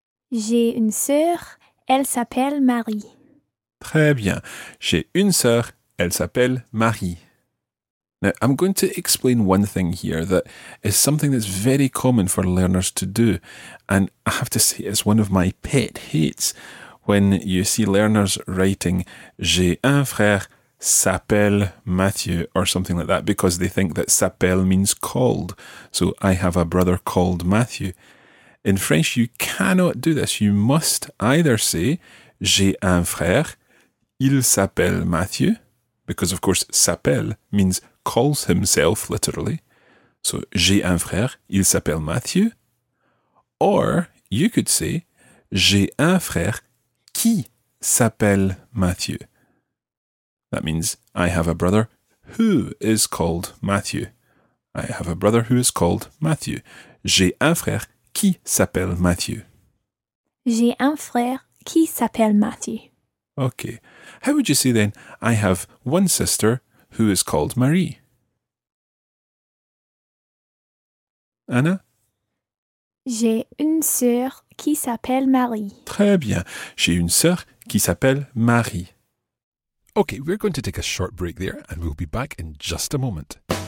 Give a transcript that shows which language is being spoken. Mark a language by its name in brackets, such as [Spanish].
[French] J'ai une sœur, elle s'appelle Marie. Très bien. J'ai une sœur, elle s'appelle Marie. [English] Now, I'm going to explain one thing here that is something that's very common for learners to do. And I have to say, it's one of my pet hates when you see learners writing [French] j'ai un frère, s'appelle Mathieu, [English] or something like that, because they think that s'appelle means called. So, I have a brother called Mathieu. In French, you cannot do this. You must either say, [French] j'ai un frère, il s'appelle Mathieu, [English] because of course, s'appelle means calls himself, literally. [French] So, j'ai un frère, il s'appelle Mathieu. [English] Or, you could say, [French] j'ai un frère qui s'appelle Mathieu. [English] That means, I have a brother who is called Mathieu. I have a brother who is called Mathieu. [French] J'ai un frère qui s'appelle Mathieu? J'ai un frère qui s'appelle Mathieu. [English] Okay. How would you say then, I have one sister who is called Marie? Anna? [French] J'ai une sœur qui s'appelle Marie. Très bien. J'ai une sœur qui s'appelle Marie. [English] Okay, we're going to take a short break there and we'll be back in just a moment.